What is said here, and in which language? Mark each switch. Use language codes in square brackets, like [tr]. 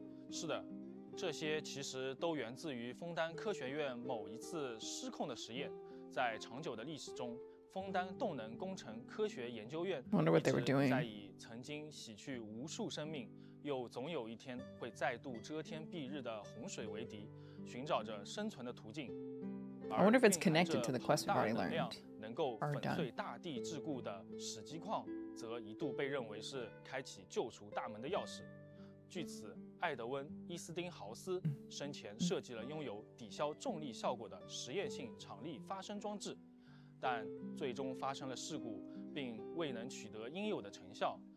[zh] 是的，这些其实都源自于枫丹科学院某一次失控的实验。在长久的历史中，枫丹动能工程科学研究院一直在以曾经洗去无数生命，又总有一天会再度遮天蔽日的洪水为敌，寻找着生存的途径。 [en] I wonder if it's connected to the quest we've already learned. [zh] 能够粉碎大地桎梏的史基矿，则一度被认为是开启救赎大门的钥匙。据此，艾德温·伊斯丁豪斯生前设计了拥有抵消重力效果的实验性场力发生装置，但最终发生了事故，并未能取得应有的成效。